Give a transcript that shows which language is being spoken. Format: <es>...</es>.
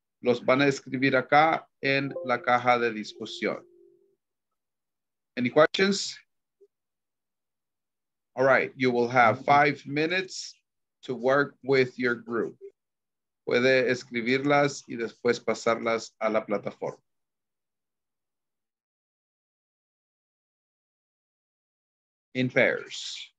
<es>Los van a escribir acá en la caja de discusión.</es> <en>Any questions? All right, you will have 5 minutes to work with your group.</en> <es>Puede escribirlas y después pasarlas a la plataforma.</es> <en>In pairs.</en>